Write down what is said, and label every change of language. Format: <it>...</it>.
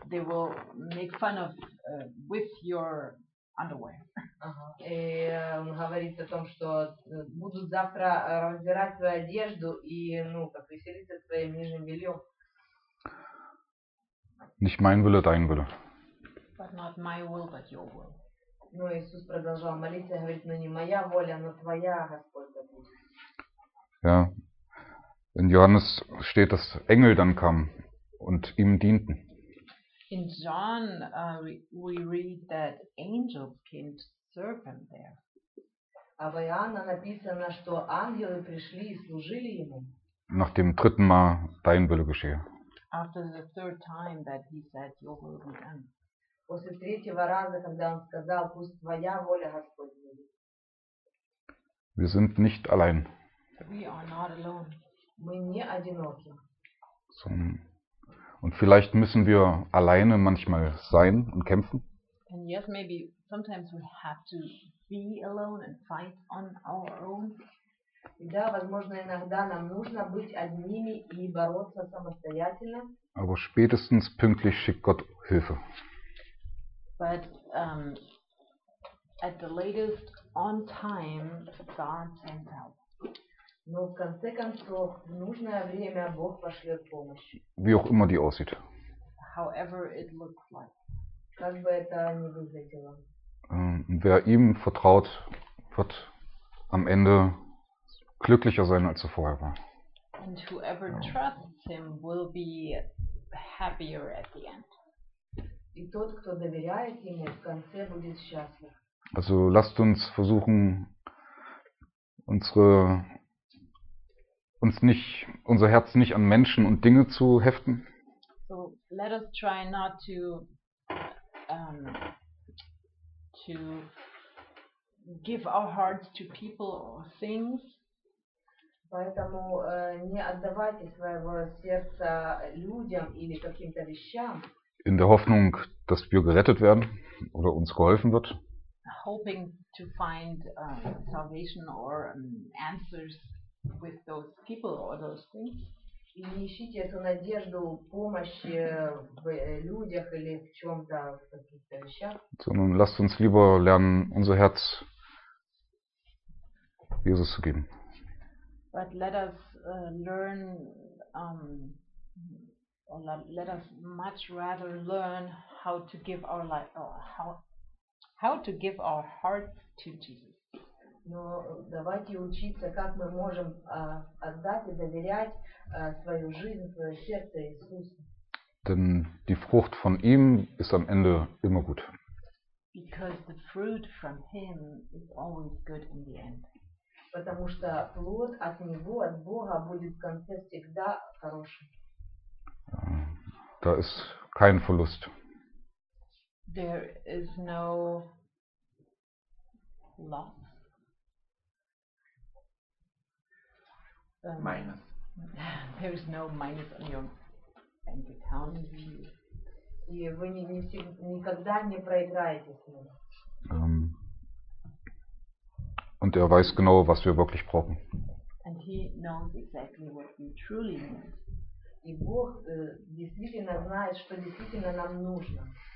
<en>They will make fun of with your underwear.</en> <ru>Он говорит о том, что будут завтра разбирать твою одежду и, ну, как веселиться твоим нижним бельем.</ru> <de>Nicht mein Wille, dein Wille.</de> <en>But not my will, but your will.</en> <ru>Но Иисус продолжал молиться и говорит, ну не моя воля, но твоя, Господь, будет.</ru> <de>Ja. In Johannes steht, dass Engel dann kamen und ihm dienten.</de> <en>In John we read that angels came to serve him there.</en> <de>Aber in Johanna</de> <ru>написано, что ангелы пришли и служили ему.</ru> <de>Nach dem dritten Mal dein Wille geschehe.</de> <en>After the third time that he said your will be done.</en> <ru>После третьего раза, когда он сказал, пусть твоя воля, Господь, будет.</ru> <de>Wir sind nicht allein.</de> <en>We are not alone.</en> <ru>Мы не одиноки.</ru> <de>So. Und vielleicht müssen wir alleine manchmal sein und kämpfen.</de> <en>And yes, maybe sometimes we have to be alone and fight on our own.</en> <ru>Да, возможно, иногда нам нужно быть одними и бороться самостоятельно.</ru> <de>Aber spätestens pünktlich schickt Gott Hilfe.</de> <en>But at the latest on time, God sends help.</en> <ru>Но в конце концов, в нужное время Бог пошлет помощь.</ru> <de>Wie auch immer die aussieht.</de> <en>However it looks like.</en> <ru>Как бы это ни выглядело.</ru> <de>Wer ihm vertraut, wird am Ende glücklicher sein, als er vorher war.</de> <en>And whoever trusts him will be happier at the end.</en> <ru>И тот, кто доверяет ему, в конце будет счастлив.</ru> <de>Also lasst uns versuchen, unser Herz nicht an Menschen und Dinge zu heften.</de> <en>So let us try not to to give our hearts to people or things.</en> <ru>Поэтому не отдавайте своего сердца людям или каким-то вещам.</ru> <de>In der Hoffnung, dass wir gerettet werden oder uns geholfen wird.</de> <en>Hoping to find salvation or answers with those people or those things.</en> <ru>И не ищите эту надежду помощи в людях или в чем-то, в каких-то вещах.</ru> <de>Sondern lasst uns lieber lernen, unser Herz Jesus zu geben.</de> <en>But let us learn or let us much rather learn how to give our life or how to give our hearts to Jesus.</en> <ru>Но давайте учиться, как мы можем отдать и доверять свою жизнь, свое сердце Иисусу.</ru> <de>Denn die Frucht von ihm ist am Ende immer gut.</de> <en>Because the fruit from him is always good in the end.</en> <ru>Потому что плод от него, от Бога, будет в конце всегда хорошим.</ru> <de>Da ist kein Verlust.</de> <en>There is no loss. Minus. There is no minus on your bank account.</en> <ru>И вы никогда не проиграете с ним.</ru> <de>Und er weiß genau, was wir wirklich brauchen.</de> <en>And he knows exactly what we truly need.</en> <ru>И Бог действительно знает, что действительно нам нужно.</ru>